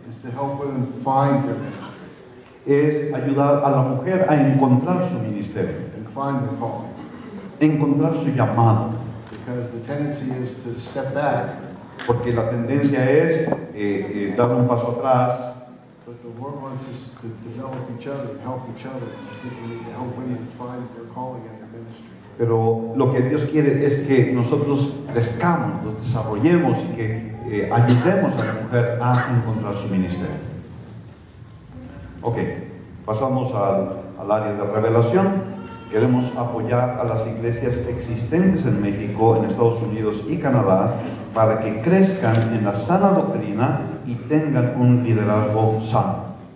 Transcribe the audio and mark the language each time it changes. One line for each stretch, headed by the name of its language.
English: is to help women find their ministry.
Spanish: Es ayudar a la mujer a encontrar su ministerio.
English: And find their calling.
Spanish: Encontrar su llamado.
English: Because the tendency is to step back.
Spanish: Porque la tendencia es dar un paso atrás.
English: But the Lord wants us to develop each other and help each other. People need to help women find their calling and their ministry.
Spanish: Pero lo que Dios quiere es que nosotros crezcamos, nos desarrollemos y que ayudemos a la mujer a encontrar su ministerio. Ok, pasamos al área de revelación. Queremos apoyar a las iglesias existentes en México, en Estados Unidos y Canadá para que crezcan en la sana doctrina y tengan un liderazgo sano.